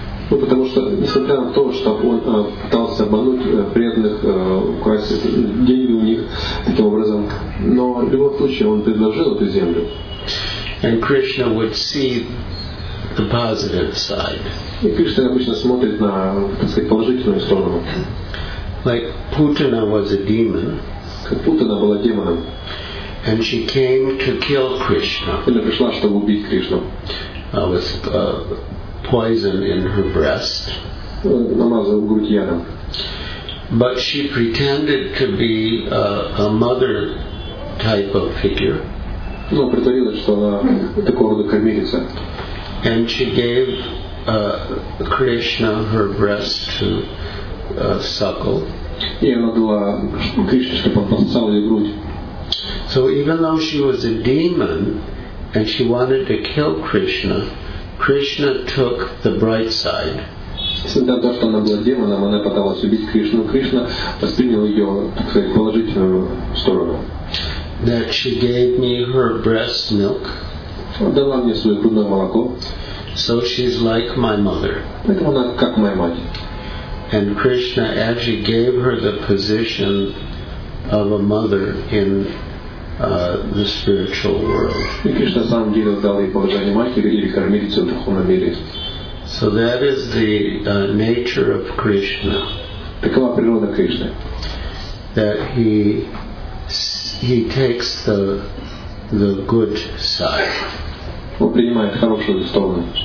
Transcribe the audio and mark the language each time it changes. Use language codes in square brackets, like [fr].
[ru] Ну потому что несмотря на то, что он пытался обмануть преданных, украсть деньги у них таким образом, но в любом случае он предложил эту землю. [en] And Krishna would see the positive side. [ru] И Кришна обычно смотрит на, так сказать, положительную сторону. [en] Like Putana was a demon. [ru] Путана была демоном. [en] And she came to kill Krishna. [ru] Она пришла, чтобы убить Кришну. [en] With poison in her breast. [ru] Намазала грудь ядом. [en] But she pretended to be a mother type of figure. [ru] Но притворилась, что она такого рода кормилица. [en] And she gave Krishna her breast to suckle. [ru] И она дала Кришне, чтобы он пососал ее грудь. [en] So even though she was a demon and she wanted to kill Krishna, Krishna took the bright side. [ru] Несмотря на то, что она была демоном, она пыталась убить Кришну, Кришна воспринял ее, так сказать, положительную сторону. [en] That she gave me her breast milk. [ru] Дала мне свое грудное молоко. [en] So she's like my mother. [ru] Поэтому она как моя мать. [en] And Krishna actually gave her the position of a mother in the spiritual world. [ru] И Кришна сам видел дали положение матери или кормилицы в духовном мире. [en] So that is the nature of Krishna. [ru] Такова природа Кришны. [en] That he takes the good side. [ru] Он принимает хорошую сторону.